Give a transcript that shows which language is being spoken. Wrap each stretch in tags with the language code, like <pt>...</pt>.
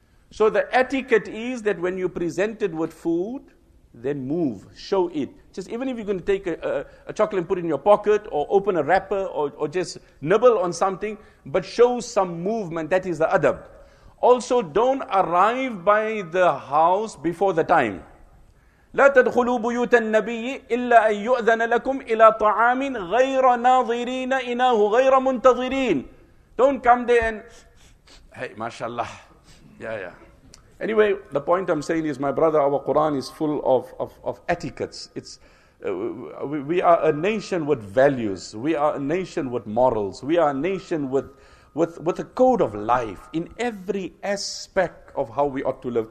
<en>So the etiquette is that when you presented with food, then move, show it. Just even if you're going to take a chocolate and put it in your pocket, or open a wrapper, or just nibble on something, but show some movement. That is the adab. Also, don't arrive by the house before the time.</en> <ar>لا تدخلوا بيوت النبي إلا أن يؤذن لكم إلى طعام غير ناظرين إناه غير منتظرين.</ar> <en>Don't come there and hey, mashallah. Yeah, yeah. Anyway, the point I'm saying is, my brother, our Quran is full of etiquettes. It's we are a nation with values. We are a nation with morals. We are a nation with a code of life in every aspect of how we ought to live.</en>